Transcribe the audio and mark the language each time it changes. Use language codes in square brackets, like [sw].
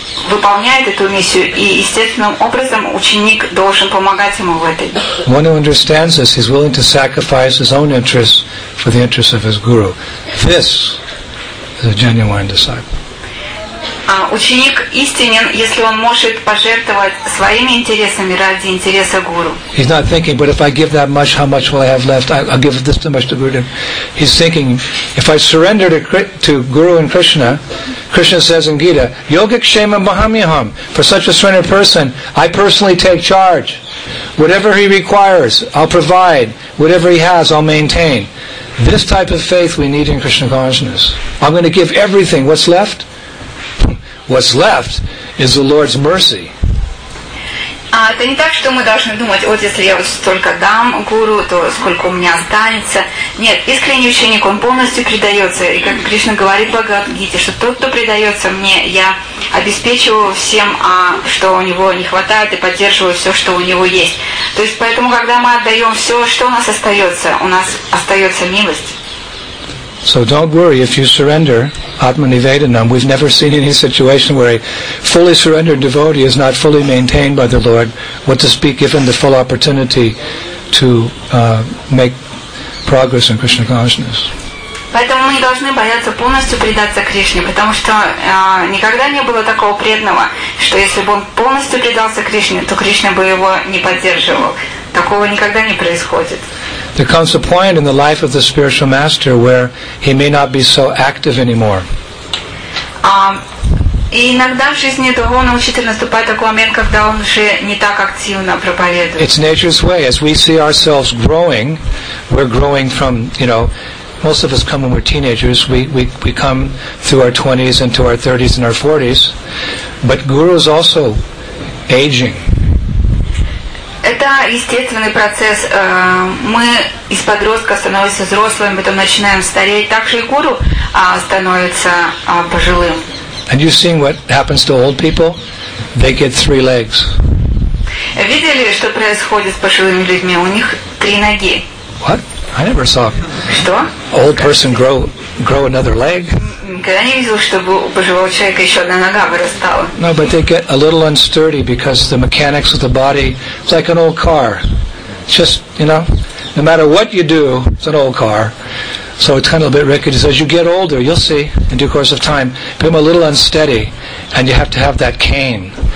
[ru] выполняет эту миссию, и естественным образом ученик должен помогать ему в этой. [en] One who understands this, he's willing to sacrifice his own interests for the interests of his guru. This is a genuine disciple. [ru] Ученик истинен, если он может пожертвовать своими интересами ради интереса гуру. [en] He's not thinking, but if I give that much, how much will I have left? I'll give this too much to Guru. He's thinking, if I surrender to Guru and Krishna, Krishna says in Gita, Yogik Shema Mahamyaham, for such a surrendered person, I personally take charge. Whatever he requires, I'll provide. Whatever he has, I'll maintain. This type of faith we need in Krishna consciousness. I'm going to give everything. What's left? What's left is the Lord's mercy. [ru] Это не так, что мы должны думать, вот если я вот столько дам гуру, то сколько у меня останется. Нет, искренний ученик, он полностью предается. И как Кришна говорит в Бхагавад-гите, что тот, кто предается мне, я обеспечиваю всем, что у него не хватает, и поддерживаю все, что у него есть. То есть поэтому, когда мы отдаем все, что у нас остается милость. [en] So don't worry if you surrender Atmanivedanam. We've never seen any situation where a fully surrendered devotee is not fully maintained by the Lord, what to speak, given the full opportunity to make progress in Krishna consciousness. [ru] Поэтому мы не должны бояться полностью предаться Кришне, потому что никогда не было такого преданного, что если бы он полностью предался Кришне, то Кришна бы его не поддерживал. Такого никогда не происходит. [en] There comes a point in the life of the spiritual master where he may not be so active anymore. [ru] И иногда в жизни духовного учителя наступает такой момент, когда он уже не так активно проповедует. [en] It's nature's way. As we see ourselves growing, we're growing from, you know, most of us come when we're teenagers. We come through our 20s into our 30s and our 40s. But guru is also aging. [ru] Это естественный процесс. Мы из подростка становимся взрослыми, потом начинаем стареть. Так же и гуру становится пожилым. [en] And you've seen what happens to old people? They get three legs. [ru] Видели, что происходит с пожилыми людьми? У них три ноги. [en] What? I never saw. [ru] Что? [en] Old person grow another leg. [ru] Никогда не видел, чтобы у пожилого человека еще одна нога вырастала. [en] No, but they get a little unsturdy because the mechanics of the body, it's like an old car. It's just, you know, no matter what you do, it's an old car. So it's kind of a bit rickety. So as you get older, you'll see in due course of time, become a little unsteady, and you have to have that cane.